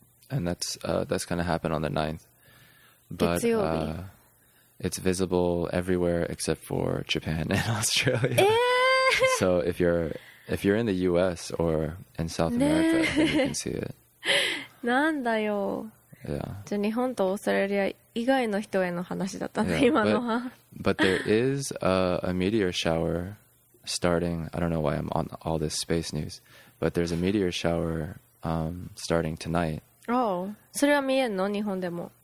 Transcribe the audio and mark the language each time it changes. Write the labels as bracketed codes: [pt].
[en] And that's going to happen on the 9th. But, [ja] 月曜日。 [en] It's visible everywhere except for Japan and Australia. So if you're in the US or in South America, then you can see it. [ja] なんだよ。 [en] Yeah. [ja] じゃあ日本とオーストラリア以外の人への話だったね、今のは。 [en] But there is a meteor shower starting. I don't know why I'm on all this space news, but there's a meteor shower starting tonight. [ja] Oh, それは見えんの？日本でも。